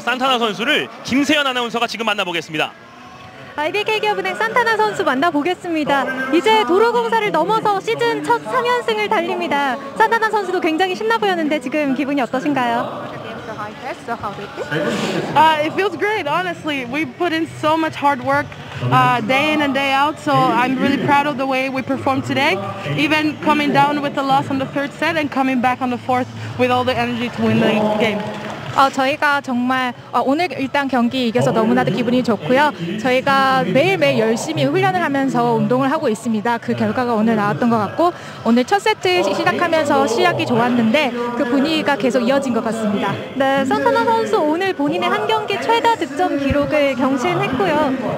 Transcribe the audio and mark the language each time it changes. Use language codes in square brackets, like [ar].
[ko] 산타나 선수를 김세현 아나운서가 지금 만나보겠습니다. IBK 기업은행 산타나 선수 만나보겠습니다. 이제 도로공사를 넘어서 시즌 첫 3연승을 달립니다. 산타나 선수도 굉장히 신나 보였는데 지금 기분이 어떠신가요? [en] It feels great, honestly. We put in so much hard work day in and day out, so I'm really proud of the way we performed today. Even coming down with the loss on the third set and coming back on the fourth with all the energy to win the game. [ko] 저희가 정말 오늘 일단 경기 이겨서 너무나도 기분이 좋고요. 저희가 매일매일 열심히 훈련을 하면서 운동을 하고 있습니다. 그 결과가 오늘 나왔던 것 같고 오늘 첫 세트 시작하면서 시작이 좋았는데 그 분위기가 계속 이어진 것 같습니다. 네, 산타나 선수 오늘 본인의 한 경기 최다 득점 기록을 경신했고요.